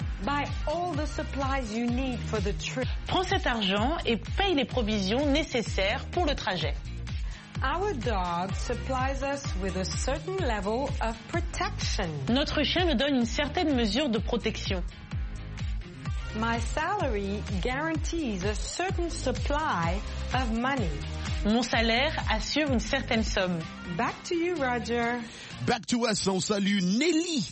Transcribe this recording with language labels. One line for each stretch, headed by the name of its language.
English: Buy all the supplies you need for the trip.
French: Prends cet argent et paye les provisions nécessaires pour le trajet.
English: Our dog supplies us with a certain level of protection.
French: Notre chien me donne une certaine mesure de protection.
English: My salary guarantees a certain supply of money.
French: Mon salaire assure une certaine somme.
English: Back to you, Roger. Back to us,
French: on salue Nelly.